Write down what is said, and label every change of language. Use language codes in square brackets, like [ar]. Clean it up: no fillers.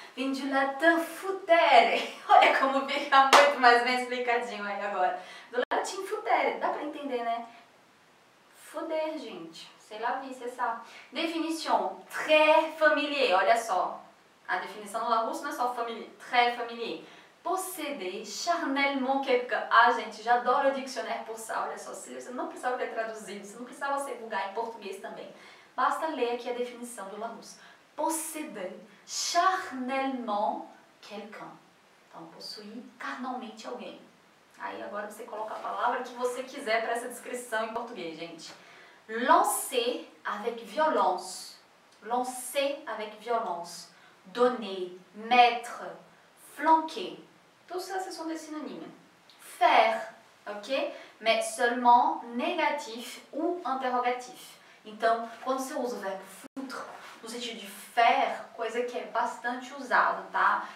[pt] Vem do latim futere. Olha como fica muito mais bem explicadinho aí agora. Do latim futere. Dá pra entender, né? Fuder, gente. Sei lá, vi, você sabe. Definition. [fr] Très familier. [pt] Olha só. A definição no Larousse não é só familier. [fr] Très familier. Posséder charnellement quelqu'un. [pt] Ah, gente, já adoro o dicionário por sal. Olha só. Você não precisava ter traduzido. Você não precisava ser vulgar em português também. Basta ler aqui a definição do Larousse. [fr] Posséder charnellement quelqu'un. [pt] Então, possuir carnalmente alguém. Aí agora você coloca a palavra que você quiser para essa descrição em português, gente. [fr] Lancer avec violence. Lancer avec violence. Donner, mettre, flanquer. Tout ça, ce sont des synonymes. Faire, ok? Mais seulement négatif ou interrogatif. [pt] Então, quando você usa o verbo foutre, no sentido de faire, coisa que é bastante usada, tá?